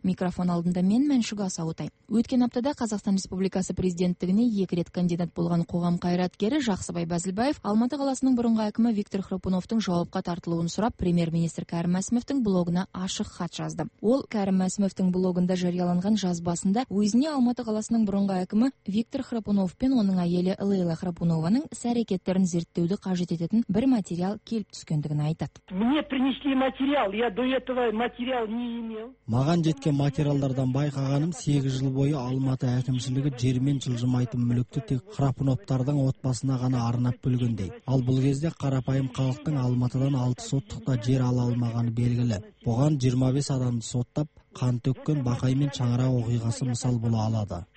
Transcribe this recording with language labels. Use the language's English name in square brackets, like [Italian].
[Kazakh] Микрофон алдында мен Мәншүк Асаутай. Өткен аптада Қазақстан Республикасы президенттігіне 2 рет кандидат болған қоғам қайраткері Жақсыбай Бәзілбаев Алматы қаласының бұрынғы әкімі Виктор Хропуновтың жауапқа тартылуын сұрап, премьер-министр Кәрім Мәсімовтің блогына ашық хат жазды. Ол Кәрім Мәсімовтің блогында жарияланған жазбасында өзіне Алматы қаласының бұрынғы әкімі Виктор Хропунов пен оның әйелі Лейла Хропунованың іс-әрекеттерін зерттеуді қажет ететін бір материал келіп түскендігін айтады. [Russian] Принесли материал. Я до этого материал не имел. [Kazakh] Маған жеткен материалдардан байқағаным, 8 жыл бойы Алматы әкімшілігі жермен жылжымайтын мүлікті тек Храпуновтардың отбасына ғана арнап бөлгендей. Ал бұл кезде қарапайым халықтың Алматыдан 6 соттықта жер ала алмағаны белгілі. Бұған 25 адамды соттап, қан төккен Бақай мен Шаңырақ оқиғасы мысал бола алады.